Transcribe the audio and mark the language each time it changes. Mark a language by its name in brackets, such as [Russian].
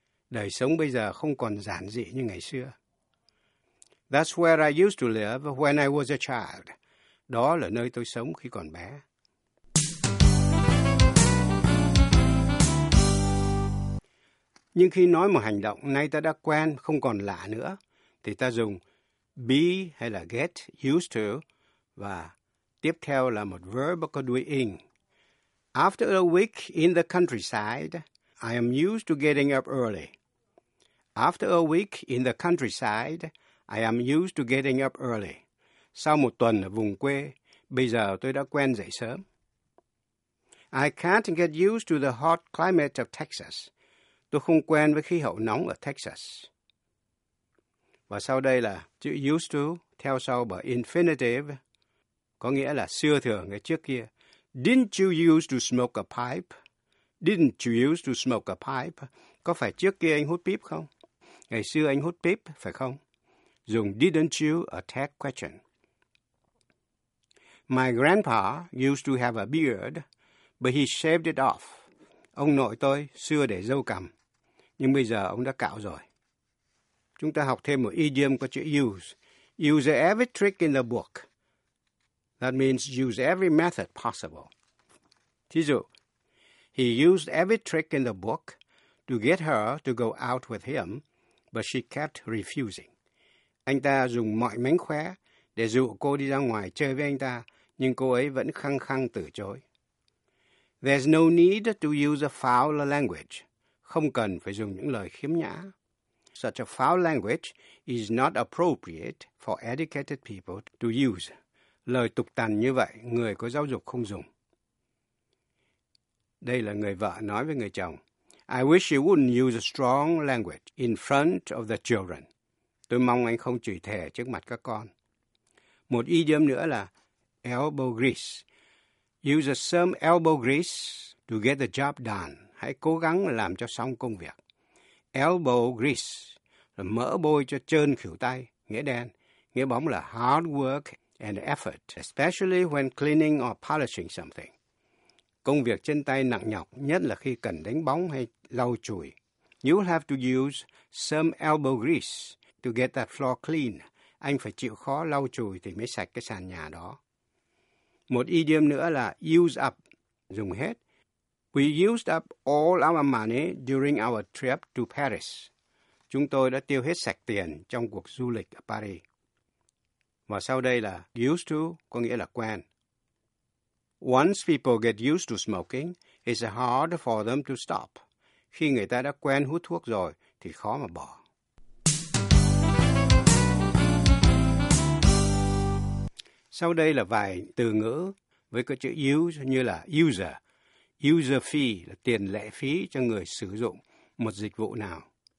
[Vietnamese] Đời sống bây giờ không còn giản dị như ngày xưa. [English] That's where I used to live when I was a child. [Vietnamese] Đó là nơi tôi sống khi còn bé. Nhưng khi nói một hành động nay ta đã quen, không còn lạ nữa, thì ta dùng be hay là get used to và tiếp theo là một verb có đuôi ing. [English] After a week in the countryside, I am used to getting up early. After a week in the countryside, I am used to getting up early. [Vietnamese] Sau một tuần ở vùng quê, bây giờ tôi đã quen dậy sớm. [English] I can't get used to the hot climate of Texas. [Vietnamese] Tôi không quen với khí hậu nóng ở Texas. Và sau đây là chữ used to, theo sau bởi infinitive, có nghĩa là xưa thường hay trước kia. [English] Didn't you used to smoke a pipe? Didn't you used to smoke a pipe? [Vietnamese] Có phải trước kia anh hút pipe không? Ngày xưa anh hút pipe, phải không? Dùng didn't you a tag question. [English] My grandpa used to have a beard, but he shaved it off. [Vietnamese] Ông nội tôi xưa để râu cằm, nhưng bây giờ ông đã cạo rồi. Chúng ta học thêm một idiom có chữ use. [English] Use every trick in the book. That means use every method possible. Thí dụ, he used every trick in the book to get her to go out with him, but she kept refusing. [Vietnamese] Anh ta dùng mọi mánh khóe để dụ cô đi ra ngoài chơi với anh ta, nhưng cô ấy vẫn khăng khăng từ chối. [English] There's no need to use a foul language. [Vietnamese] Không cần phải dùng những lời khiếm nhã. [English] Such a foul language is not appropriate for educated people to use. [Vietnamese] Lời tục tằn như vậy, người có giáo dục không dùng. Đây là người vợ nói với người chồng. [English] I wish you wouldn't use a strong language in front of the children. [Vietnamese] Tôi mong anh không chửi thề trước mặt các con. Một idiom nữa là elbow grease. [English] Use some elbow grease to get the job done. [Vietnamese] Hãy cố gắng làm cho xong công việc. Elbow grease là mỡ bôi cho trơn khuỷu tay, nghĩa đen. Nghĩa bóng là [English] hard work and effort, especially when cleaning or polishing something. [Vietnamese] Công việc chân tay nặng nhọc, nhất là khi cần đánh bóng hay lau chùi. [English] You have to use some elbow grease to get that floor clean. [Vietnamese] Anh phải chịu khó lau chùi thì mới sạch cái sàn nhà đó. Một idiom nữa là use up, dùng hết. [English] We used up all our money during our trip to Paris. [Vietnamese] Chúng tôi đã tiêu hết sạch tiền trong cuộc du lịch ở Paris. Và sau đây là used to, có nghĩa là quen. [English] Once people get used to smoking, it's hard for them to stop. [Vietnamese] Khi người ta đã quen hút thuốc rồi, thì khó mà bỏ. Sau đây là vài từ ngữ với cái chữ use như là user. User fee là tiền lệ phí cho người sử dụng một dịch vụ nào.